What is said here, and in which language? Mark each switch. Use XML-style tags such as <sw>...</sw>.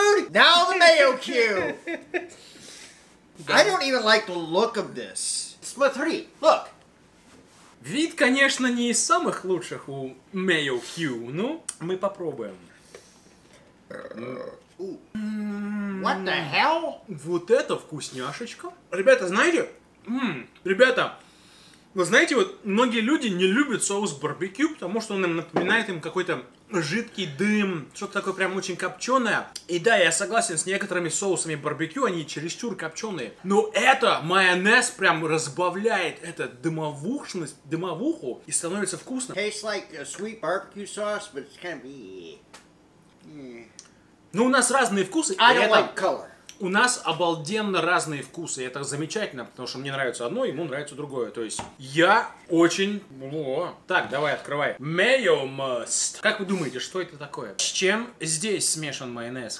<en>Now the mayo cube. I don't even like the look of this.</en> <ru>Смотри,</ru> <en>look.</en> <ru>Вид, конечно, не из самых лучших у mayo cube, но мы попробуем.</ru> <en>What the hell?</en> <ru>Вот это вкусняшечка. Ребята, знаете? Ребята, вы знаете, вот многие люди не любят соус барбекю, потому что он им напоминает им какой-то жидкий дым, что-то такое прям очень копченое. И да, я согласен с некоторыми соусами барбекю, они чересчур копченые. Но это майонез прям разбавляет эту дымовушность, дымовуху, и становится вкусно.</ru> <en>Tastes like a sweet barbecue sauce, but it's kind of...</en> <ru>Ну, у нас разные вкусы.</ru> <en>I don't like color.</en> <ru>У нас обалденно разные вкусы, и это замечательно, потому что мне нравится одно, ему нравится другое. То есть я очень... О, так, давай, открывай.</ru> <en>Mayo must.</en> <ru>Как вы думаете, что это такое? С чем здесь смешан майонез?</ru>